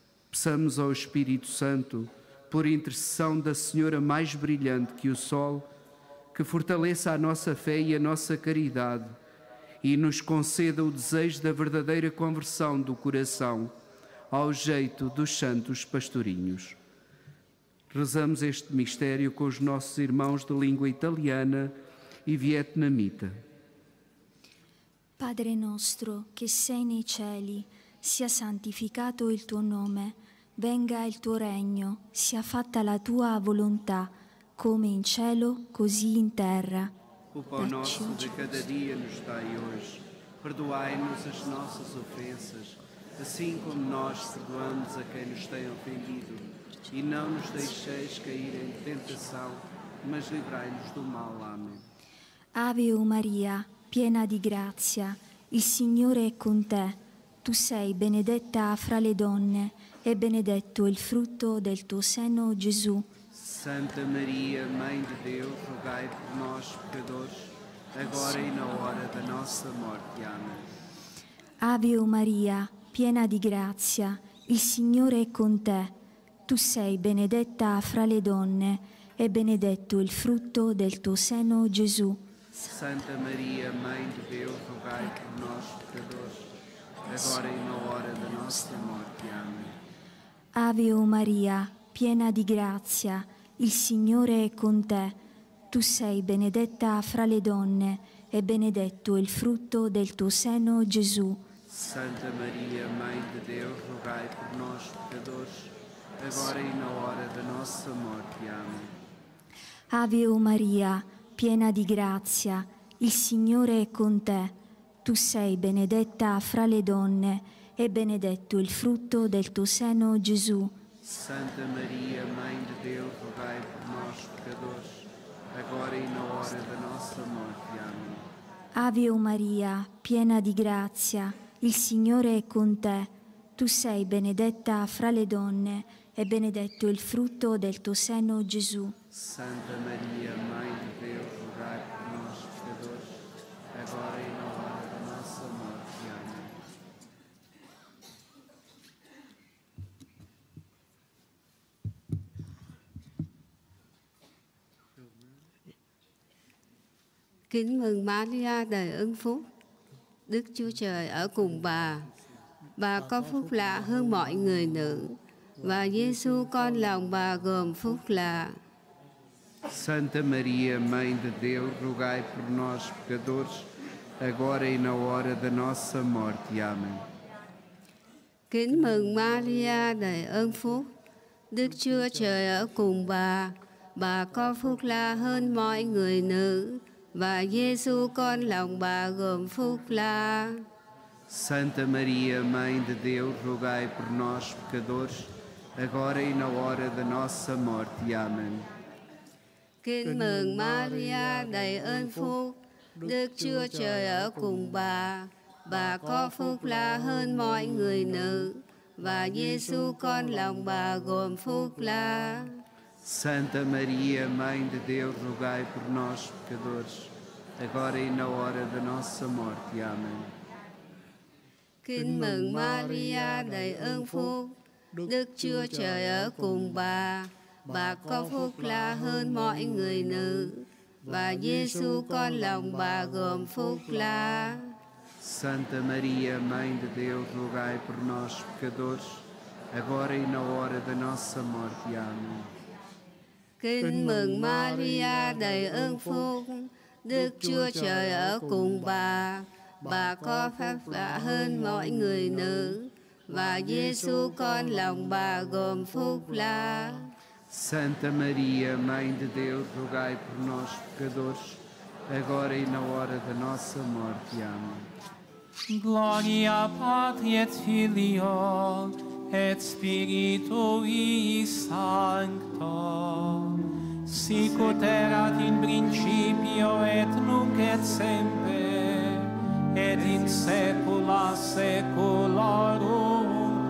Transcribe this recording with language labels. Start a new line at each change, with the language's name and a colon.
Portuguese: Peçamos ao Espírito Santo, por intercessão da Senhora mais brilhante que o Sol, que fortaleça a nossa fé e a nossa caridade e nos conceda o desejo da verdadeira conversão do coração ao jeito dos santos pastorinhos. Rezamos este mistério com os nossos irmãos de língua italiana e vietnamita.
Italian: Padre nostro, che sei nei cieli, sia santificato il tuo nome, venga il tuo regno, sia fatta la tua volontà, come in cielo, così in terra.
Portuguese: O pão nosso de cada dia nos dai hoje, perdoai-nos as nossas ofensas, assim como nós perdoamos a quem nos tem ofendido. E não nos deixeis cair em tentação, mas livrai-nos do mal. Amém.
Italian: Ave Maria, piena di grazia, il Signore è con te. Tu sei benedetta fra le donne e benedetto il frutto del tuo seno, Gesù.
Portuguese: Santa Maria, Mãe de Deus, rogai por nós, pecadores, agora e na hora da nossa morte. Amém.
Italian: Ave Maria, piena di grazia, il Signore è con te. Tu sei benedetta fra le donne e benedetto il frutto del tuo seno, Gesù.
Portuguese: Santa Maria, Mãe de Deus, rogai por nós, pecadores, agora e na hora da nossa morte. Amém.
Italian: Ave Maria, piena di grazia, il Signore è con te. Tu sei benedetta fra le donne e benedetto il frutto del tuo seno, Gesù.
Portuguese: Santa Maria, Mãe de Deus, rogai por nós, pecadores, agora e na hora da nossa morte. Amém.
Italian: Ave Maria, piena di grazia, il Signore è con te. Tu sei benedetta fra le donne e benedetto il frutto del tuo seno, Gesù.
Portuguese: Santa Maria, Mãe de Deus, rogai por nós, pecadores, agora e na hora da nossa morte. Amém.
Italian: Ave Maria, piena di grazia, il Signore è con te. Tu sei benedetta fra le donne e benedetto il frutto del tuo seno, Gesù.
Portuguese: Santa Maria, Mãe de Deus, rogai
Italian: per noi peccatori,
Portuguese: agora e na hora da nostra morte. Amém.
Vietnamese: Kính mừng Maria đầy ân phúc, Đức Chúa Trời ở cùng bà. Bà có phúc lạ hơn mọi người nữ, và Giêsu con lòng bà gồm phúc lạ.
Portuguese: Santa Maria, Mãe de Deus, rogai por nós pecadores, agora e na hora da nossa morte. Amém.
Vietnamese: Kính mừng Maria đầy ân phúc, Đức Chúa Trời ở cùng bà. Bà có phúc lạ hơn mọi người nữ, và Giêsu con lòng bà gồm phúc lạ.
Portuguese: Santa Maria, Mãe de Deus, rogai por nós, pecadores, agora e na hora da nossa morte. Amém.
Vietnamese: Kính mừng Maria đầy ơn phúc, Đức Chúa Trời ở cùng bà. Bà có phúc lạ hơn mọi người nữ, và Giêsu con lòng bà gồm phúc lạ.
Portuguese: Santa Maria, Mãe de Deus, rogai por nós, pecadores, agora e na hora da nossa morte. Amém.
Vietnamese: Kính mừng Maria đầy ơn phúc, Đức Chúa Trời ở cùng bà. Bà có phúc lạ hơn mọi người nữ, và Giêsu con lòng bà gồm phúc lạ.
Portuguese: Santa Maria, Mãe de Deus, rogai por nós pecadores, agora e na hora da nossa morte. Amém.
Vietnamese: Kính mừng Maria đầy ơn phúc, Đức Chúa Trời ở cùng bà có phép lạ hơn mọi người nữ, và Giêsu con lòng bà gồm phúc lạ.
Portuguese: Santa Maria, Mãe de Deus, rogai por nós, pecadores, agora e na hora da nossa morte. Amém.
Latin: Glória a Pátria et Filio, et Spiritui Sancto, sicut erat in principio, et nunc et sempre, et in saecula saeculorum.